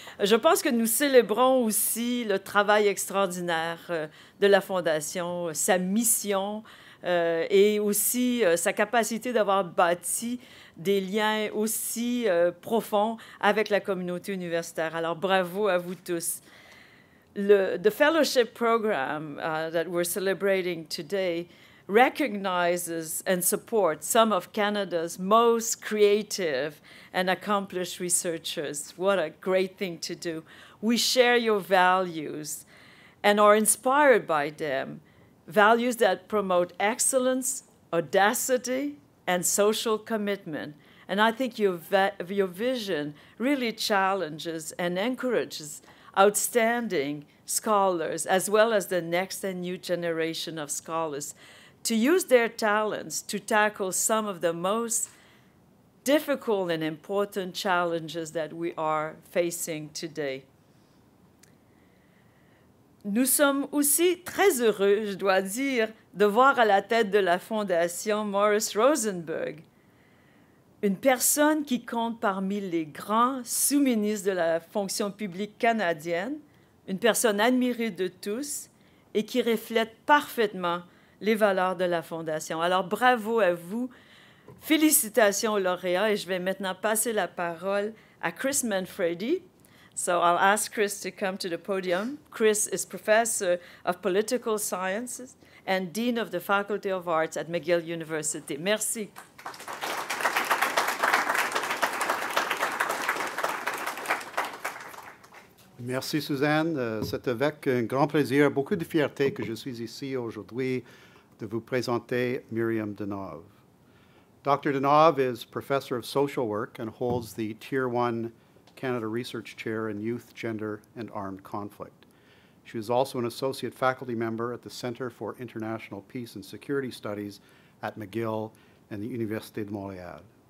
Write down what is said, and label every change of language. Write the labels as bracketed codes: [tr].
[fr] Je pense que nous célébrons aussi le travail extraordinaire de la Fondation, sa mission et aussi sa capacité d'avoir bâti des liens aussi profonds avec la communauté universitaire. Alors, bravo à vous tous. [en] The fellowship program that we're celebrating today recognizes and supports some of Canada's most creative and accomplished researchers. What a great thing to do. We share your values and are inspired by them, values that promote excellence, audacity, and social commitment. And I think your vision really challenges and encourages outstanding scholars, as well as the next and new generation of scholars, to use their talents to tackle some of the most difficult and important challenges that we are facing today. [fr] Nous sommes aussi très heureux, je dois dire, de voir à la tête de la Fondation Maurice Rosenberg, une personne qui compte parmi les grands sous-ministres de la fonction publique canadienne, une personne admirée de tous et qui reflète parfaitement les valeurs de la Fondation. Alors, bravo à vous. Félicitations aux lauréats. Et je vais maintenant passer la parole à Chris Manfredi. [en] So I'll ask Chris to come to the podium. Chris is professor of political sciences and dean of the Faculty of Arts at McGill University. [fr] Merci. Merci, Suzanne. C'est avec un grand plaisir, beaucoup de fierté que je suis ici aujourd'hui de vous présenter Myriam Denov. [en] Dr. Denov is professor of social work and holds the Tier 1 Canada Research Chair in Youth, Gender, and Armed Conflict. She is also an associate faculty member at the Center for International Peace and Security Studies at McGill and the Université de Montréal.